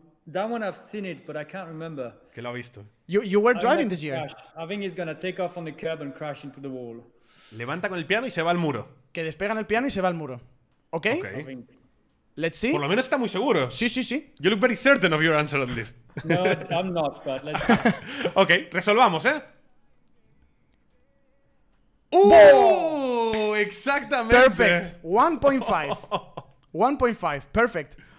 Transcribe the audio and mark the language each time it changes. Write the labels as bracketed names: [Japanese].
[English] That one, I've seen it, but I can't remember. [Spanish] Que lo ha visto. [English] You were driving this year. I think he's going to take off on the curb and crash into the wall. [Spanish] Levanta con el piano y se va al muro. Que despegan el piano y se va al muro. [English] Okay? Okay. Let's see. [Spanish] Por lo menos está muy seguro. Sí. [English] You look very certain of your answer on this. No, I'm not, but let's see. [Spanish] Okay, resolvamos, ¿eh? ¡Oh! Exactamente. [English] Perfect. 1.5. 1.5. Perfect.